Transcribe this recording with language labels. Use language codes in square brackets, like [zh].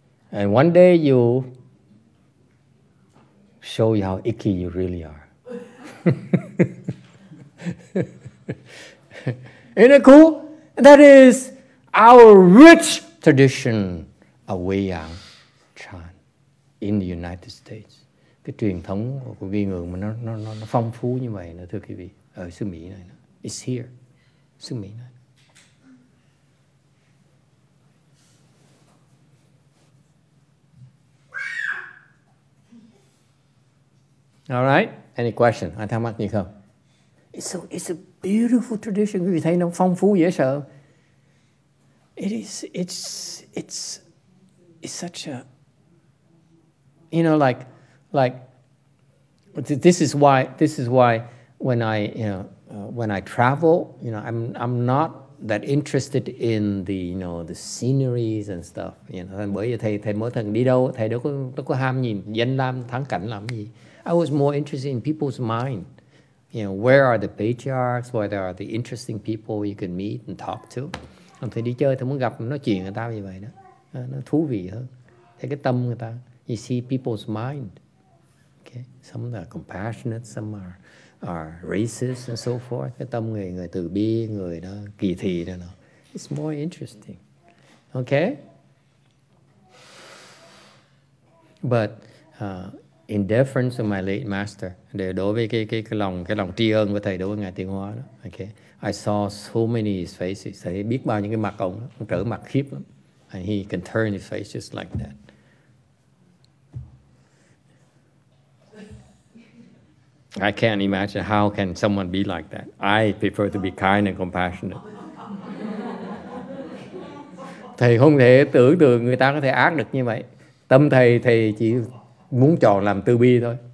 [en] And one day you show you how icky you really are. Isn't it cool? That is our rich tradition of Wei Yang Chan in the United States. [vi] Cái truyền thống của Vi Ngường mà nó phong phú như vậy nữa thưa quý vị. Ở xứ Mỹ này. [en] It's here. [vi] Xứ Mỹ này. [en] All right. Any question? [vi] Ai thắc mắc gì không? [en] It's a beautiful tradition. [vi] Quý vị thấy nó phong phú dễ sợ. [en] It's such a, you know, like This is why when I when I travel, you know, I'm not that interested in the, you know, the sceneries and stuff. [vi] You know, bởi vì thầy mỗi lần đi đâu thầy đâu có ham nhìn danh lam thắng cảnh làm gì. [en] I was more interested in people's mind. You know, where are the patriarchs? Where are the interesting people you can meet and talk to? [vi] Còn thầy đi chơi thầy muốn gặp nói chuyện người ta như vậy đó, nó thú vị hơn. Thấy cái tâm người ta. [en] You see people's mind. Okay, some are compassionate, some are racist and so forth. [vi] Cái tâm người từ bi, người đó kỳ thị đó nó. [en] It's more interesting. [vi] Okay. [en] But in deference of my late master, [vi] để đối với cái lòng tri ân của thầy đối với ngài Tiên Hóa đó. Okay. [en] I saw so many his faces. [vi] Thầy biết bao nhiêu cái mặt ông đó, trở mặt khiếp lắm. [en] And he can turn his face just like that. I can't imagine how can someone be like that. I prefer to be kind and compassionate. [vi] Thầy không thể tưởng tượng người ta có thể ác được như vậy. Tâm thầy chỉ muốn chọn làm từ bi thôi.